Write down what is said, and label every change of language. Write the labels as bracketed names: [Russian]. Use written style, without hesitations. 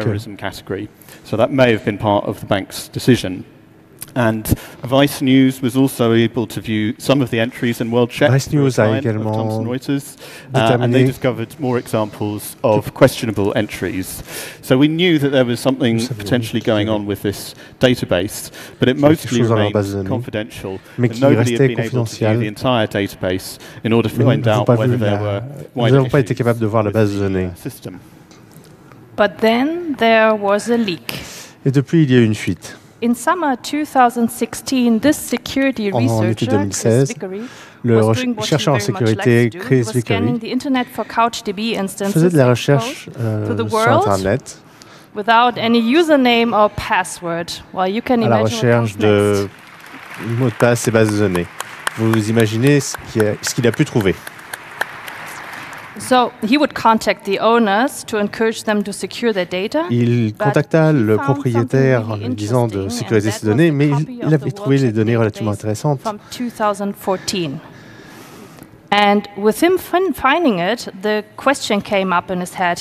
[French] ça a pu être partie de la décision de la banque. [English] And Vice News was also able to view some of the entries in World Check. [French] Vice News a également [English] And they discovered more examples of questionable entries. So we knew that there was something potentially going on with this database, but it mostly remained confidential. [French] Mais [English] nobody had been able to view the entire database in order to find out whether there were wider issues. [French] Nous n'avons pas été capables de voir la base de données. [English] But then there was a leak. [French] Et depuis, il y a eu une fuite. [English] In summer 2016, this security researcher, Chris Vickery, was doing what he very much likes to do, was scanning the internet for CouchDB instances. [French] Faisait de la recherche sur Internet. [English] Without any username or password. Well, you can imagine what happened next. [French] À la recherche de mots de passe et bases de données. Vous imaginez ce qu'il a pu trouver. [English] So he would contact the owners to encourage them to secure their data. [French] Il contacta le propriétaire en lui disant de sécuriser ses données, mais il avait trouvé les données relativement intéressantes. [English] From 2014. And with him finding it, the question came up in his head.